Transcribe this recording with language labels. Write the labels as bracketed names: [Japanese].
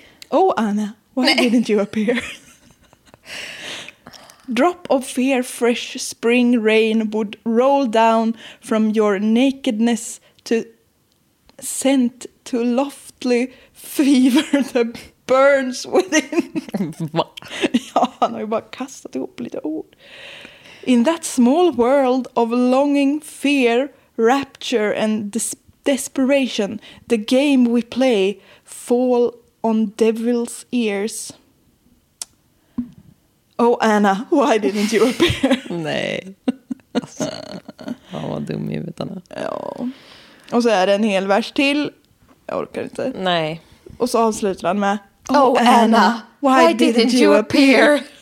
[English] Oh, Anna, why didn't you appear? Drop of fear, fresh spring rain would roll down from your nakedness to scent to loftly fever that burns within. [Swedish] Va? Ja, han har ju bara kastat ihop lite ord. [English] In that small world of longing, fear, rapture and desperation, the game we play fall on devil's ears. Oh Anna, why didn't you appear? [Swedish] Nej. Alltså, vad dum i huvudet han är. Ja. Och så är det en hel vers till. Jag orkar inte. Nej. Och så avslutar han med... [English] Oh Anna, why didn't you appear?